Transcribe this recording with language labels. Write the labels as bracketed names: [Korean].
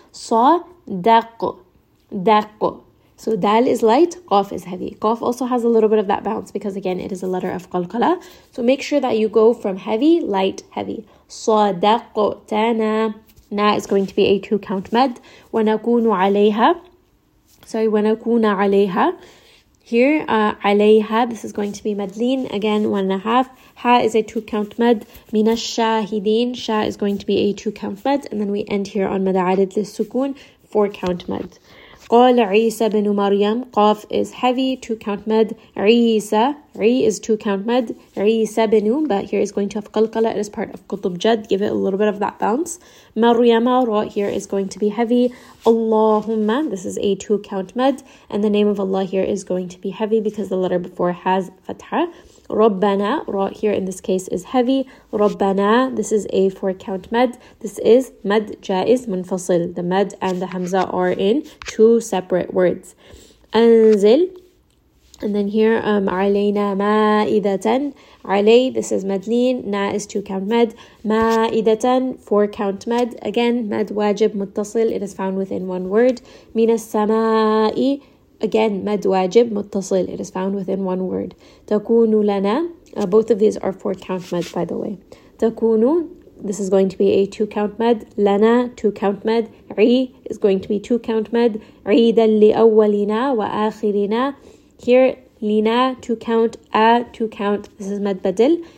[Arabic] صَدَقْ, دَقْ. [English] So dal is light, qaf is heavy. Qaf also has a little bit of that bounce because again, it is a letter of qalqala. So make sure that you go from heavy, light, heavy. [Arabic] صَدَقْتَنَا. [English] Na is going to be a two count med. [Arabic] وَنَكُونُ عَلَيْهَا. [English] Sorry, [Arabic] وَنَكُونَ عَلَيْهَا. [English] Here, عَلَيْهَا, this is going to be madlin. Again, one and a half. Ha is a two count med. [Arabic] مِنَ الشَّاهِدِينَ. [English] Sha is going to be a two count med. And then we end here on مَدَعَدِدْ لِلسُّكُونَ, four count med. [Arabic] قال عيسى بن مريم, [English] قاف is heavy, two count med. عيسى, عي is two count med. عيسى بن, but here is going to have قلقلة, it is part of قطب جد, give it a little bit of that bounce. مريم, رأ here is going to be heavy. اللهم, this is a two count med, and the name of Allah here is going to be heavy because the letter before has فتحة. ربنا, رأ here in this case is heavy. ربنا, this is a four count med. This is مد جائز منفصل. The مد and the همزة are in two separate words. أنزل, and then here [Arabic] علينا مائدة. [English] علي, this is مدلين. نا is two count med. مائدة, four count med. Again, مد واجب متصل. It is found within one word. [Arabic] من السماء, again, مد واجب متصل. [English] It is found within one word. [Arabic] تكون لنا. [English] Both of these are four count med, by the way. تكون, this is going to be a two count med. لنا, two count med. عي is going to be two count med. [Arabic] عيدا لأولنا وآخرنا. [English] Here, لنا, two count. آ, two count. This is مد بدل.